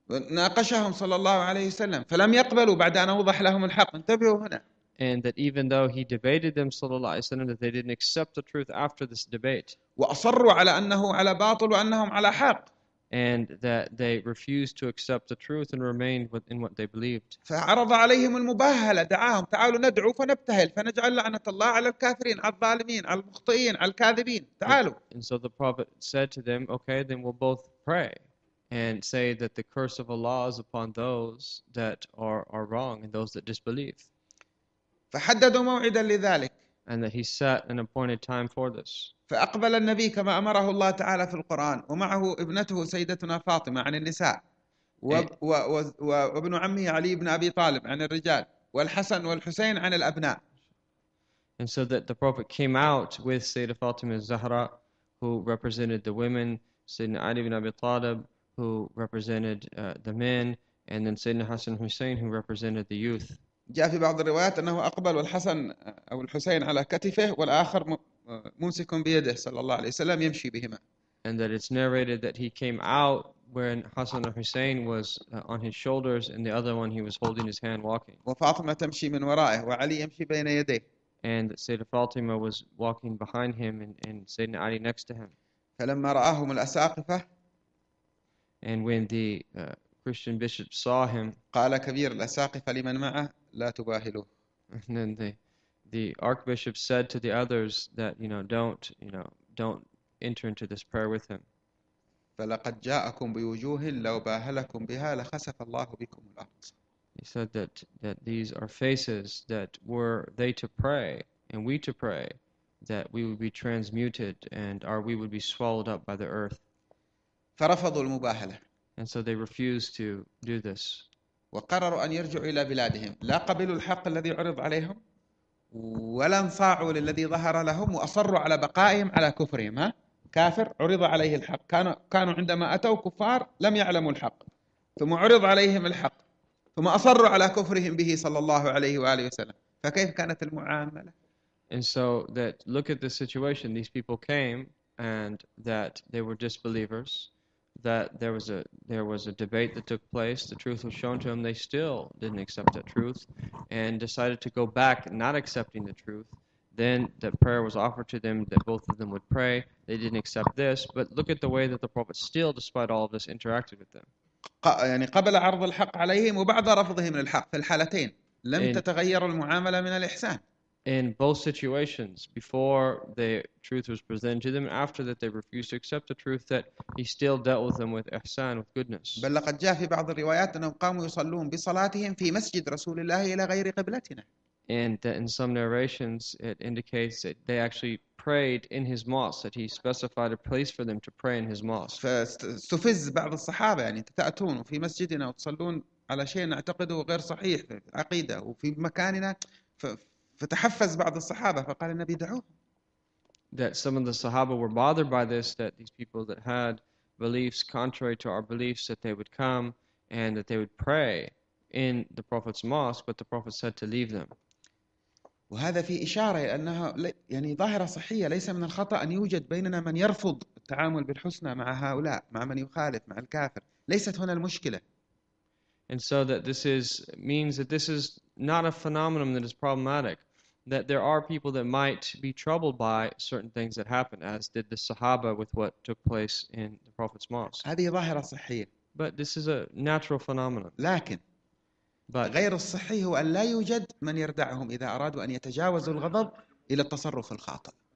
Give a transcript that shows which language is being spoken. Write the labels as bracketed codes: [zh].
[ar] ناقشهم صلى الله عليه وسلم فلم يقبلوا بعد أن أوضح لهم الحق. انتبهوا هنا. [en] And that even though he debated them [ar] صلى الله عليه وسلم, [en] that they didn't accept the truth after this debate. [ar] وأصروا على أنه على باطل وأنهم على حق. [en] And that they refused to accept the truth and remained in what they believed. [ar] فعرض عليهم المباهلة، دعاهم تعالوا ندعو فنبتهل فنجعل لعنة الله على الكافرين على الظالمين على المخطئين على الكاذبين، تعالوا. [en] And so the prophet said to them, okay, then we'll both pray and say that the curse of Allah is upon those that are wrong and those that disbelieve. [ar] فحددوا موعدا لذلك. [en] And that he set an appointed time for this. [ar] فأقبل النبي كما أمره الله تعالى في القرآن ومعه ابنته سيدتنا فاطمة عن النساء وابن عمه علي بن أبي طالب عن الرجال والحسن والحسين عن الأبناء. [en] And so that the Prophet came out with Sayyidina Fatima al-Zahra, who represented the women, Sayyidina Ali ibn Abi Talib, who represented the men, and then Sayyidina Hassan Hussein, who represented the youth. [ar] جاء في بعض الروايات أنه أقبل والحسن أو الحسين على كتفه والآخر ممسك بيده صلى الله عليه وسلم يمشي بهما. [en] And that it's narrated that he came out when Hassan and Hussein was on his shoulders and the other one he was holding his hand walking. [ar] وفاطمة تمشي من ورائه وعلي يمشي بين يديه. [en] And Sayyidina Fatima was walking behind him and Sayyidina Ali next to him. [ar] فلما رآهم الأساقفة [en] And when the Christian bishop saw him, [ar] قال كبير الأساقفة لمن معه لا تباهلوا. [en] And then the archbishop said to the others that don't enter into this prayer with him. [ar] فلقد جاءكم بوجوه لو باهلكم بها لخسف الله بكم الأرض. [en] He said that these are faces that were they to pray and we to pray that we would be transmuted and or we would be swallowed up by the earth. [ar] فرفضوا المباهلة. [en] And so they refused to do this. [ar] وقرروا أن يرجعوا إلى بلادهم. لا قبلوا الحق الذي عرض عليهم ولا انصاعوا للذي ظهر لهم وأصروا على بقائهم على كفرهم. ها؟ كافر عرض عليه الحق، كانوا عندما أتوا كفار لم يعلموا الحق، ثم عرض عليهم الحق ثم أصروا على كفرهم به صلى الله عليه وآله وسلم، فكيف كانت المعاملة؟ [en] And so that look at the situation. These people came and that they were disbelievers. That there was a debate that took place. The truth was shown to them. They still didn't accept that truth, and decided to go back, not accepting the truth. Then that prayer was offered to them that both of them would pray. They didn't accept this. But look at the way that the Prophet still, despite all of this, interacted with them. [ar] يعني قبل عرض الحق عليهم وبعد رفضهم للحق في الحالتين لم تتغير المعاملة من الإحسان. [en] In both situations, before the truth was presented to them, and after that they refused to accept the truth, that he still dealt with them with ihsan, with goodness. [ar] بل لقد جاء في بعض الروايات أنهم قاموا يصلون بصلاتهم في مسجد رسول الله إلى غير قبلتنا. [en] And that in some narrations, it indicates that they actually prayed in his mosque, that he specified a place for them to pray in his mosque. [ar] فاستفز بعض الصحابة يعني تأتون في مسجدنا وتصلون على شيء نعتقده غير صحيح عقيدة وفي مكاننا فتحفز بعض الصحابة فقال النبي دعوه. [en] That some of the Sahaba were bothered by this, that these people that had beliefs contrary to our beliefs, that they would come and that they would pray in the Prophet's mosque, but the Prophet said to leave them. [ar] وهذا في إشارة أنها يعني ظاهرة صحية، ليس من الخطأ أن يوجد بيننا من يرفض التعامل بالحسنى مع هؤلاء، مع من يخالف، مع الكافر. ليست هنا المشكلة. [en] And so that this means that this is not a phenomenon that is problematic, that there are people that might be troubled by certain things that happened, as did the Sahaba with what took place in the Prophet's mosque. [ar] هذه ظاهرة صحية. [en] But this is a natural phenomenon. [ar] لكن [en] But [ar] غير الصحيح هو أن لا يوجد من يردعهم إذا أرادوا أن يتجاوزوا الغضب إلى التصرف الخاطئ.